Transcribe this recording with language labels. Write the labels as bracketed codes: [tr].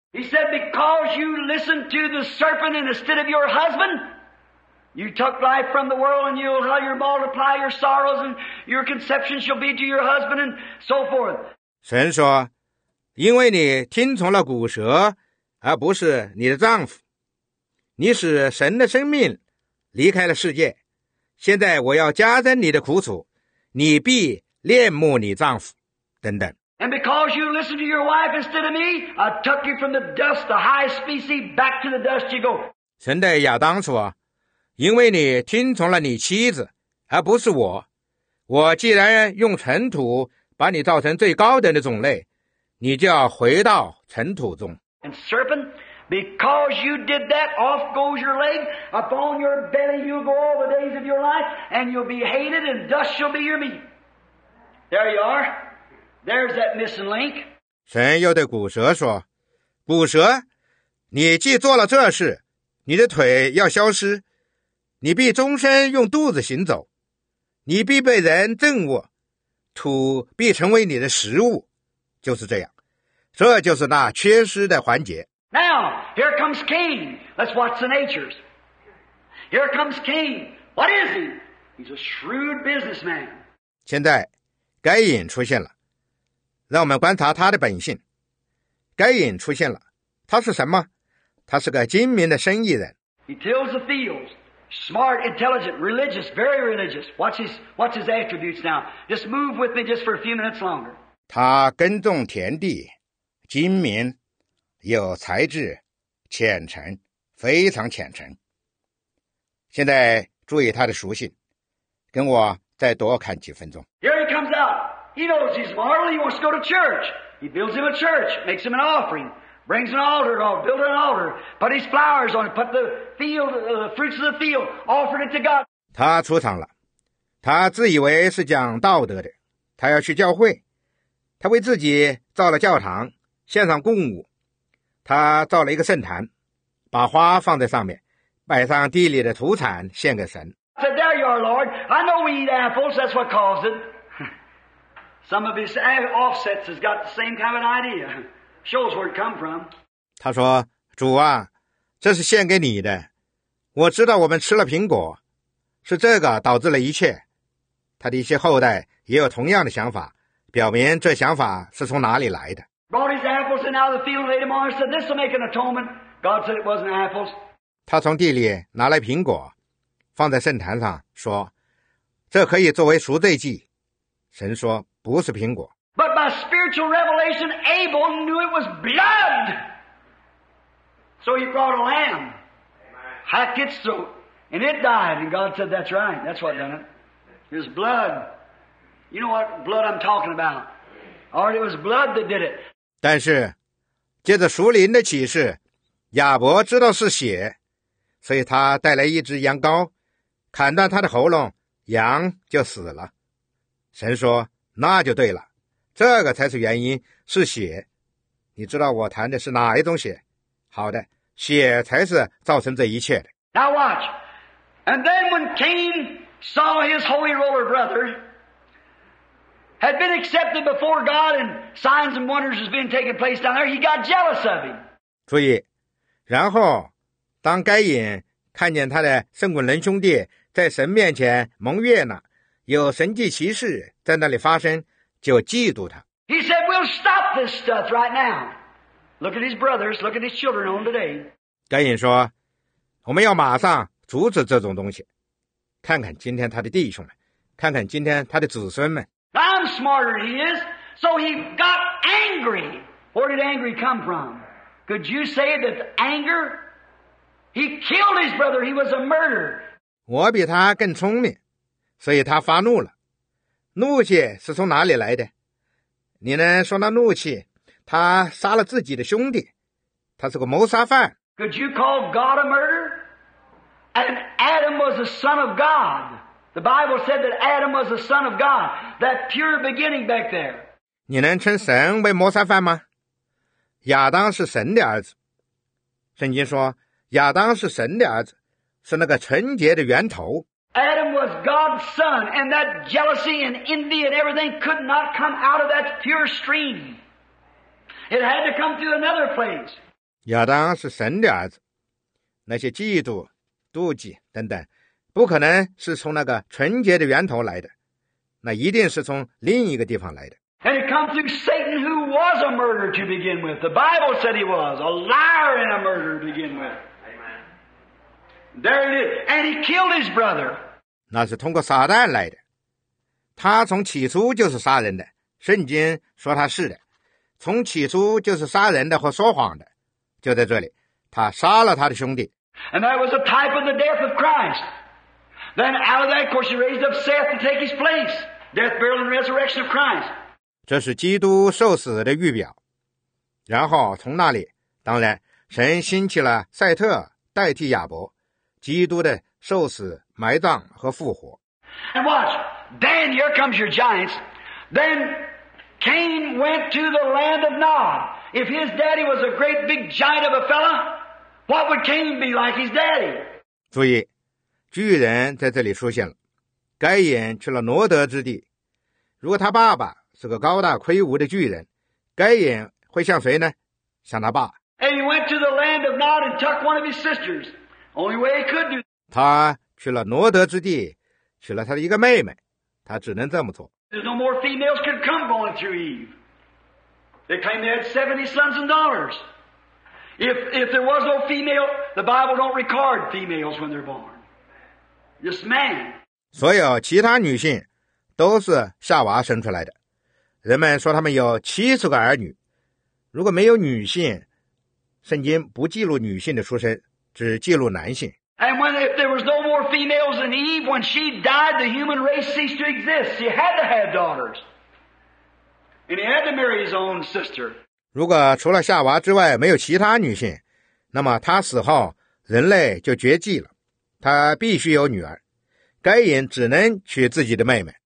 [en] He said, "Because you listened to the serpent instead of your husband, you took life from the world, and you'll have your multiply your sorrows, and your conception shall be to your husband, and so forth." [zh] 神说，因为你听从了骨蛇，而不是你的丈夫，你使神的生命离开了世界。现在我要加增你的苦楚，你必恋慕你丈夫，等等。 [en] And because you listen to your wife instead of me, I took you from the dust, the highest species, back to the dust you go. [zh] 神对亚当说，因为你听从了你妻子，而不是我，我既然用尘土把你造成最高等的种类，你就要回到尘土中。 [en] And serpent,Because you did that, off goes your leg, upon your belly you'll go all the days of your life, and you'll be hated, and dust shall be your meat. There you are. There's that missing link. [zh] 神又对骨蛇说，骨蛇，你既做了这事，你的腿要消失，你必终身用肚子行走，你必被人憎恶，土必成为你的食物，就是这样，这就是那缺失的环节。 [en] Now, here comes Cain. Let's watch the natures. Here comes Cain. What is he? He's a shrewd businessman. [zh] 现在，该隐出现了。让我们观察他的本性。该隐出现了，他是什么？他是个精明的生意人。 [en] He tills the fields. Smart, intelligent, religious, very religious. What's his attributes now? Just move with me just for a few minutes longer. [zh] 他耕种田地，精明。有才智，虔诚，非常虔诚。现在注意他的属性，跟我再多看几分钟。 [en] Here he comes out. He knows he's moral. He wants to go to church. He builds him a church, makes him an offering, brings an altar, build an altar, put his flowers on it, put the field, the fruits of the field, offered it to God. [zh] 他出场了，他自以为是讲道德的，他要去教会，他为自己造了教堂，献上供物，他造了一个圣坛，把花放在上面。摆上地里的土产献给神。 [en] So there you are, Lord. I know we eat apples. That's what caused it. Some of his offsets has got the same kind of an idea. Shows where it come from. [zh] 他说：“主啊，这是献给你的。我知道我们吃了苹果，是这个导致了一切。他的一些后代也有同样的想法，表明这想法是从哪里来的。” [en] Brought his apples and out of the field laid them on. Said this will make an atonement. God said it wasn't apples. [zh] 他从地里拿来苹果，放在圣坛上，说：“这可以作为赎罪祭。” 神说：“不是苹果。” [en] But by spiritual revelation, Abel knew it was blood, so he brought a lamb, hacked its throat, and it died. And God said, "That's right. That's what done it. It was blood. You know what blood I'm talking about? Or it was blood that did it." [zh] 但是，借着属灵的启示，亚伯知道是血。所以他带来一只羊羔，砍断他的喉咙，羊就死了。神说：“那就对了，这个才是原因，是血。你知道我谈的是哪一种血？好的，血才是造成这一切的。” [en] Now watch, and then when Cain saw his holy roller brother had been accepted before God and signs and wonders has been taking place down there, he got jealous of him. [zh] 注意，然后。当该隐看见他的圣滚人兄弟在神面前蒙悦了，有神迹奇事在那里发生，就嫉妒他。 [en] He said, "We'll stop this stuff right now. Look at his brothers. Look at his children on today." [zh] 该隐说：“我们要马上阻止这种东西，看看今天他的弟兄们，看看今天他的子孙们。” [en] I'm smarter than he is, so he got angry. Where did angry come from? Could you say that anger? He killed his brother. He was a murderer. [zh] 我比他更聪明，所以他发怒了。怒气是从哪里来的？你能说那怒气？他杀了自己的兄弟，他是个谋杀犯。 [en] Could you call God a murderer? And Adam was the son of God. The Bible said that Adam was the son of God. That pure beginning back there. [zh] 你能称神为谋杀犯吗？亚当是神的儿子。圣经说。亚当是神的儿子，是那个纯洁的源头。 [en] Adam was God's son, and that jealousy and envy and everything could not come out of that pure stream. It had to come through another place. [zh] 亚当是神的儿子，那些嫉妒、妒忌等等，不可能是从那个纯洁的源头来的，那一定是从另一个地方来的。 [en] And it comes through Satan, who was a murderer to begin with. The Bible said he was a liar and a murderer to begin with. There it is, and he killed his brother. [zh] 那是通过撒旦来的。他从起初就是杀人的。圣经说他是的，从起初就是杀人的和说谎的。就在这里，他杀了他的兄弟。 [en] And that was a type of the death of Christ. Then out of that, of course, he raised up Seth to take his place, death, burial, and resurrection of Christ. [zh] 这是基督受死的预表。然后从那里，当然，神兴起了赛特代替亚伯。基督的受死、埋葬和复活。 [en] And watch, then here comes your giants. Then Cain went to the land of Nod. If his daddy was a great big giant of a fella, what would Cain be like his daddy? [zh] 注意，巨人在这里出现了。该隐去了挪得之地。如果他爸爸是个高大魁梧的巨人，该隐会像谁呢？像他爸。 [en] And he went to the land of Nod and took one of his sisters. Only way he could do. [zh] 他去了挪得之地，娶了他的一个妹妹，他只能这么做。 [en] There's no more females could come going through Eve. They claim they had 70 sons and daughters. If there was no female, the Bible don't record females when they're born. Just man. [zh] 所有其他女性都是夏娃生出来的，人们说他们有70个儿女。如果没有女性，圣经不记录女性的出生。只记录男性。 [en] And when there was no more females than Eve, when she died, the human race ceased to exist. He had to have daughters. And he had to marry his own sister. [zh] 如果除了夏娃之外没有其他女性，那么她死后人类就绝迹了。她必须有女儿。该隐只能娶自己的妹妹。